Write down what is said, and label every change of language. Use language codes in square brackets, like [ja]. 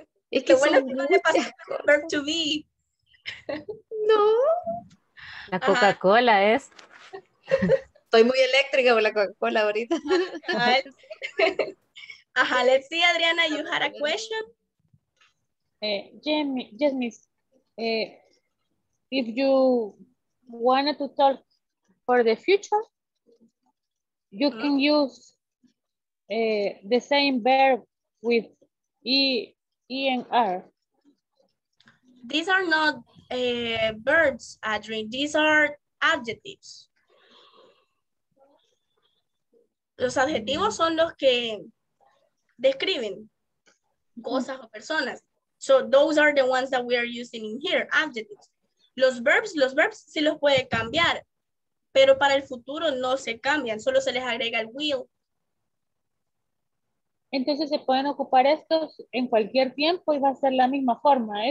[es] Es que bueno, no le pasa el verb to be. No. La Coca-Cola es. Estoy muy eléctrica con la Coca-Cola ahorita. [en] Ajá, let's see, Adriana, you had a question. Yes, miss. If you wanted to talk for the future, you can use the same verb with E, E and R. these are not verbs, Adrian. These are adjectives. [es] Los adjetivos son los que describen cosas o personas. [en] So those are the ones that we are using in here, adjectives. [es] Los verbs sí los puede cambiar, pero para el futuro no se cambian, solo se les agrega el will. Entonces se pueden ocupar estos en cualquier tiempo y va a ser la misma forma, ¿eh?